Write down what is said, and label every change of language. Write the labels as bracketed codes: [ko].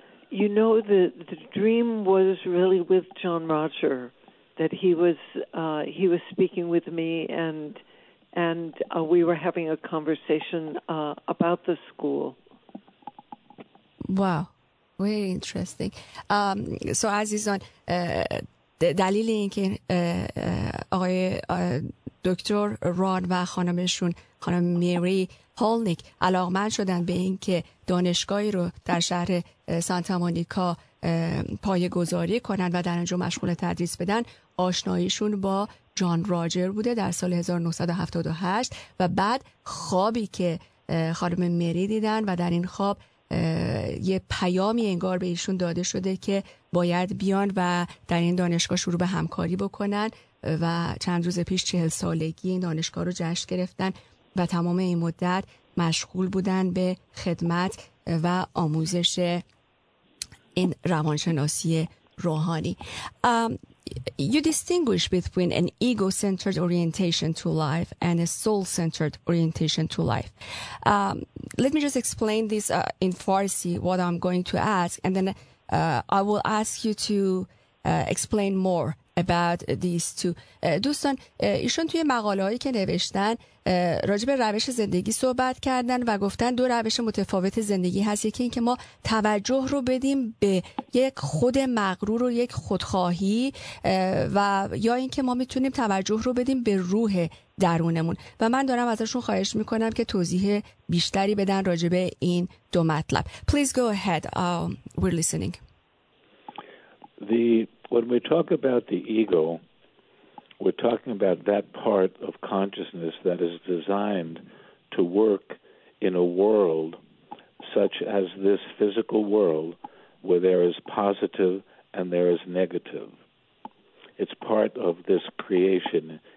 [en] You know, the dream was really with John Roger, that he was speaking with me, and we were having a conversation about the school. Wow, very interesting. [fa] So عزیزان, دلیل این که آقای دکتر ران و خانمشون خانم میری هولنیک علاقمند شدن به این که دانشگاهی رو در شهر سانتا مونیکا پایه‌گذاری کنند و در اونجا مشغول تدریس بدن آشناییشون با جان راجر بوده در سال 1978 و بعد خوابی که خانم میری دیدن و در این خواب یه پیامی انگار به ایشون داده شده که باید بیان و در این دانشگاه شروع به همکاری بکنن و چند روز پیش 40 سالگی این دانشگاه رو جشن گرفتن و تمام این مدت مشغول بودن به خدمت و آموزش این روانشناسی روحانی. [en] You distinguish between an ego-centered orientation to life and a soul-centered orientation to life. Let me just explain this in Farsi, what I'm going to ask, and then I will ask you to explain more about these two. [fa] دوستان ایشون توی مقاله‌هایی که نوشتن راجب روش زندگی صحبت کردن و گفتن دو روش متفاوت زندگی هست. یکی این که ما توجه رو بدیم به یک خود مغرور و یک خودخواهی و یا این که ما میتونیم توجه رو بدیم به روح درونمون و من دارم ازشون خواهش میکنم که توضیح بیشتری بدن راجب این دو مطلب. [en] Please go ahead. We're listening. When we talk about the ego, we're talking about that part of consciousness that is designed to work in a world such as this physical world where there is positive and there is negative. It's part of this creation